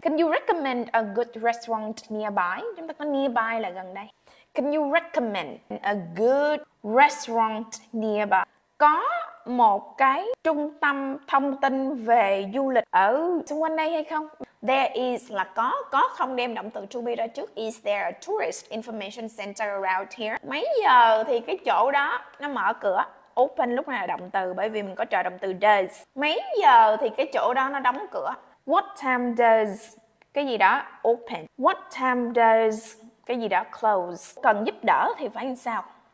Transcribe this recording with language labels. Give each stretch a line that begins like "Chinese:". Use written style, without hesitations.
English: Can you recommend a good restaurant nearby?
Vietnamese: Chúng ta có nearby là gần đây.
English: Can you recommend a good restaurant nearby?
Vietnamese: Có một cái trung tâm thông tin về du lịch ở xung quanh đây hay không? There is là có. Có không đem động từ to be ra trước.
English: Is there a tourist information center around here?
Vietnamese: Mấy giờ thì cái chỗ đó nó mở cửa? Open lúc này là động từ bởi vì mình có trợ động từ does. Mấy giờ thì cái chỗ đó nó đóng cửa?
English: What time does
Vietnamese: cái gì đó open?
English: What time does
Vietnamese: cái gì đó
English: close?
Vietnamese: Cần giúp đỡ thì phải làm sao?